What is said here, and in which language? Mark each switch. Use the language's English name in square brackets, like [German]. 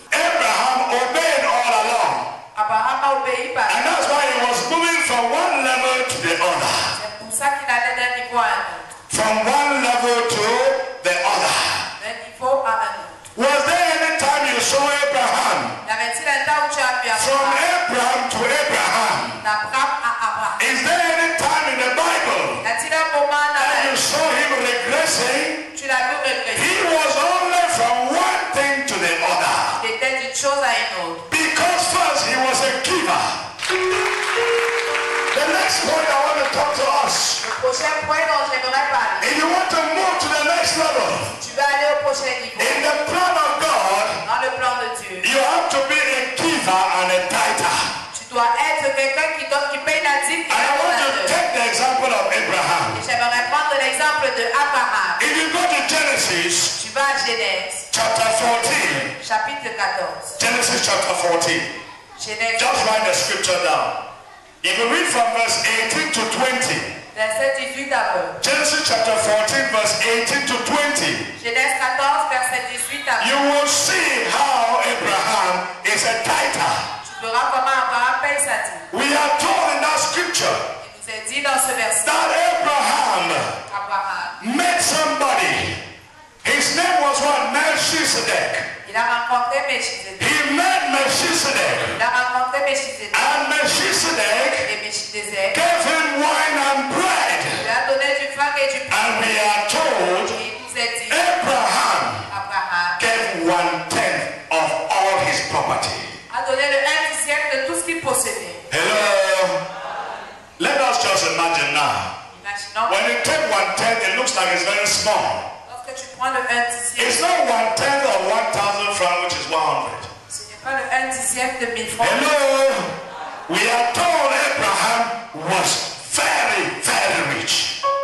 [English] Abraham obeyed all along. [French] Abraham a obéi par. [English] And that's why he was moving from one level to the other. [French] C'est pour ça qu'il allait d'un niveau à un autre. [English] From one level to the other. [French] D'un niveau à un autre. [English] Was there any time you saw Abraham? [French] Y'avait-il un temps où tu as vu Abraham? [English] From Abraham to Abraham. [French] D'Abraham à Abraham. [English] Is there any time in the Bible? [French] Y'a-t-il un moment dans la Bible? [English] You saw him regressing. [French] Tu l'as vu regresser. [English] He was only from one thing to the other. [French] Il était d'une chose à une autre. [English] Because first he was a giver. The next point I want to talk to us. [French] Le prochain point dont j'aimerais parler. [English] If you want to move to the next level. In the plan of God, [French] dans le plan de Dieu, [English] you have to be a giver and a tighter. [French] Tu dois être quelqu'un qui donne, qui paye la dîme. [English] And I want to take the example of Abraham. [French] J'aimerais prendre l'exemple de Abraham. [English] If you go to Genesis, [French] tu vas à Genèse, [English] chapter 14, [French] chapitre 14, [English] Genesis chapter 14, [French] Genèse. [English] Just write the scripture down. If you read from verse 18 to 20. Genesis chapter 14, verse 18 to 20. [French] Genèse 14, verset 18 à 20. [English] You will see how Abraham is a tither. [French] Tu verras comment Abraham paye sa dîme. [English] We are told in that scripture. [French] Il nous est dit dans ce verset. [English] That Abraham. [French] Abraham. [English] Met somebody. His name was what? Melchizedek. [French] Il a rencontré Melchizedek. [English] He met Melchizedek. [French] Il a rencontré Melchizedek. [English] And Melchizedek. [French] Et Melchizedek. [English] Gave him wine and bread. [French] Il a donné du pain et du pain. [English] And we are told. [French] Il nous est dit. [English] Abraham. [French] Abraham. [English] Gave one tenth of all his property. [French] A donné le 1/10 de tout ce qu'il possédait. [English] Hello. Let us just imagine now. [French] Imaginons. [English] When you take one tenth, it looks like it's very small. It's not one tenth of 1,000 francs, which is 100. Hello, we are told Abraham was very, very rich.